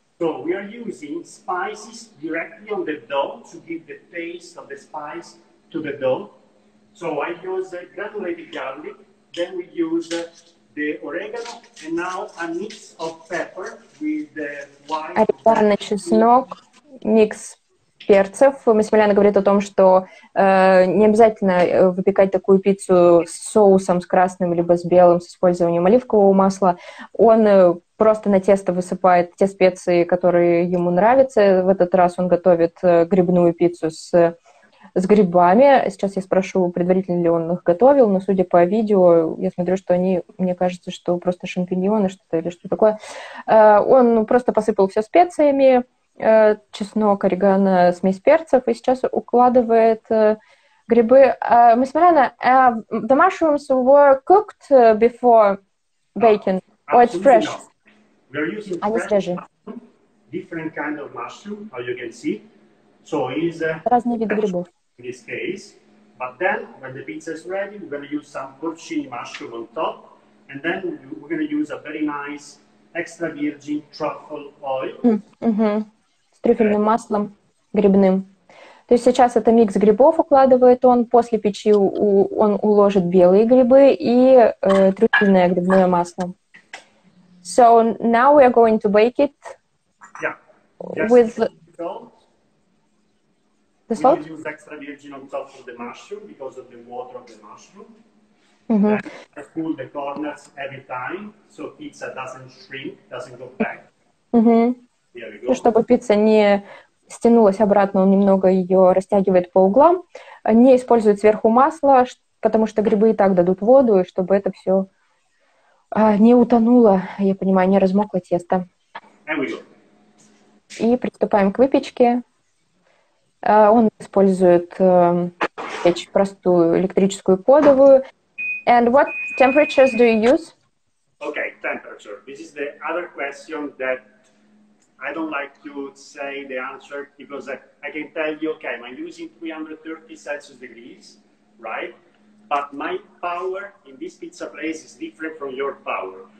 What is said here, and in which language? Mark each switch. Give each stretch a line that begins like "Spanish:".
English: So we are using spices directly on the dough to give the taste of the spice to the dough. So I use granulated garlic, then we use the oregano, and now a mix of pepper with the white...
Russian: Oregano, чеснок, mix. Перцев. Масимилиано говорит о том, что не обязательно выпекать такую пиццу с соусом, с красным, либо с белым, с использованием оливкового масла. Он просто на тесто высыпает те специи, которые ему нравятся. В этот раз он готовит грибную пиццу с грибами. Сейчас я спрошу, предварительно ли он их готовил, но судя по видео, я смотрю, что они, мне кажется, что просто шампиньоны что-то или что-то такое. Он просто посыпал все специями, чеснок, орегано, смесь перцев, и сейчас укладывает грибы.
English: Масимилиано, the mushrooms were cooked before baking, or it's fresh? We are using fresh mushroom, different kind of mushroom, as you can see. So it's
Russian: разные виды грибов.
English: In this case, but then when the pizza is ready, we're going to use some porcini mushroom on top, and then we're going to use a very nice extra virgin truffle oil.
Russian: Трюфельным маслом грибным. То есть сейчас это микс грибов укладывает он, после печи он уложит белые грибы и трюфельное грибное масло.
English: So now we are going to bake it. Yeah. With the salt. The salt? We use extra virgin on top of the mushroom because of the water of the mushroom. Mm-hmm. And I pull the corners every time so pizza doesn't shrink, doesn't go back. Mm-hmm.
Russian: Чтобы пицца не стянулась обратно, он немного ее растягивает по углам. Не использует сверху масло, потому что грибы и так дадут воду, и чтобы это все не утонуло, я понимаю, не размокло тесто. И приступаем к выпечке. Он использует печь простую электрическую кодовую.
English: And what temperatures do you use? Okay, temperature. This is the other question that I don't like to say the answer because I can tell you, okay, I'm using 330 Celsius degrees, right? But my power in this pizza place is different from your power.